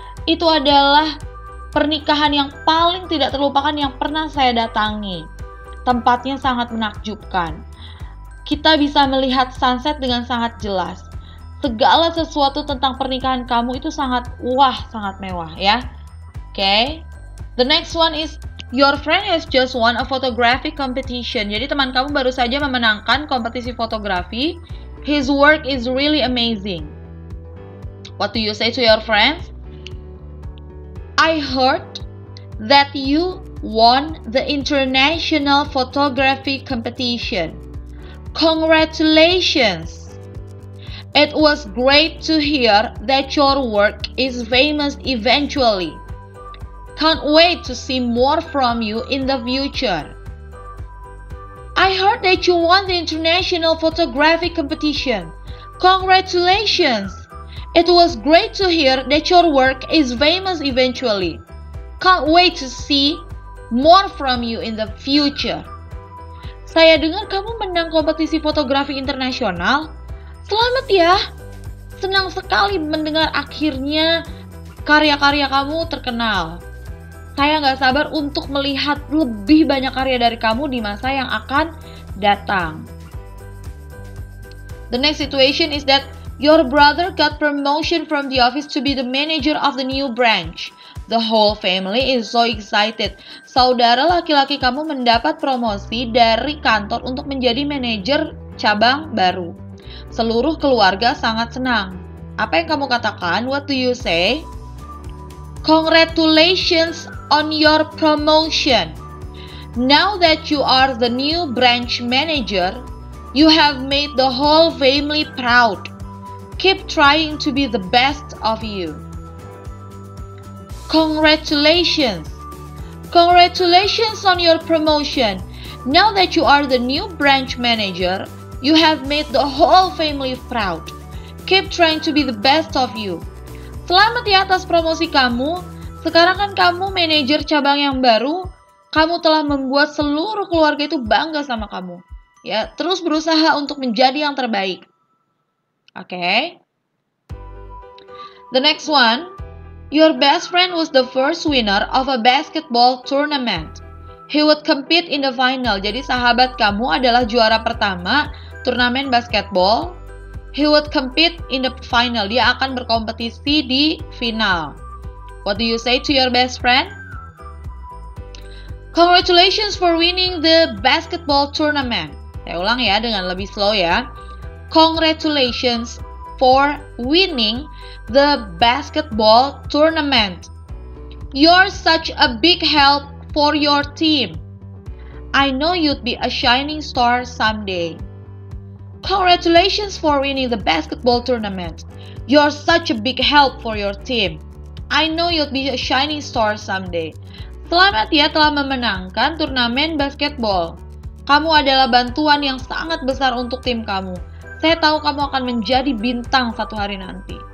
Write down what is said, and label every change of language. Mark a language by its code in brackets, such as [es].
[id] Itu adalah pernikahan yang paling tidak terlupakan yang pernah saya datangi. Tempatnya sangat menakjubkan. Kita bisa melihat sunset dengan sangat jelas. Segala sesuatu tentang pernikahan kamu itu sangat, wah, sangat mewah ya. [en] Okay. The next one is, your friend has just won a photographic competition. [id] Jadi teman kamu baru saja memenangkan kompetisi fotografi. [en] His work is really amazing. What do you say to your friends? I heard that you won the international photography competition. Congratulations! It was great to hear that your work is famous eventually. Can't wait to see more from you in the future. I heard that you won the international photography competition. Congratulations! It was great to hear that your work is famous eventually. Can't wait to see more from you in the future. [id] Saya dengar kamu menang kompetisi fotografi internasional. Selamat ya. Senang sekali mendengar akhirnya karya-karya kamu terkenal. Saya gak sabar untuk melihat lebih banyak karya dari kamu di masa yang akan datang. [en] The next situation is that your brother got promotion from the office to be the manager of the new branch. The whole family is so excited. [id] Saudara laki-laki kamu mendapat promosi dari kantor untuk menjadi manajer cabang baru. Seluruh keluarga sangat senang. Apa yang kamu katakan? [en] What do you say? Congratulations on your promotion. Now that you are the new branch manager, you have made the whole family proud. Keep trying to be the best of you. Congratulations. Congratulations on your promotion. Now that you are the new branch manager, you have made the whole family proud. Keep trying to be the best of you. [id] Selamat ya atas promosi kamu. Sekarang kan kamu manajer cabang yang baru. Kamu telah membuat seluruh keluarga itu bangga sama kamu. Ya, terus berusaha untuk menjadi yang terbaik. [en] Okay. The next one. Your best friend was the first winner of a basketball tournament. He would compete in the final. [id] Jadi sahabat kamu adalah juara pertama turnamen basketball. [en] He would compete in the final. [id] Dia akan berkompetisi di final. [en] What do you say to your best friend? Congratulations for winning the basketball tournament. [id] Saya ulang ya dengan lebih slow ya. [en] Congratulations for winning the basketball tournament. You're such a big help for your team. I know you'd be a shining star someday. Congratulations for winning the basketball tournament. You're such a big help for your team. I know you'll be a shining star someday. [id] Selamat ya telah memenangkan turnamen basketball. Kamu adalah bantuan yang sangat besar untuk tim kamu. Saya tahu kamu akan menjadi bintang satu hari nanti.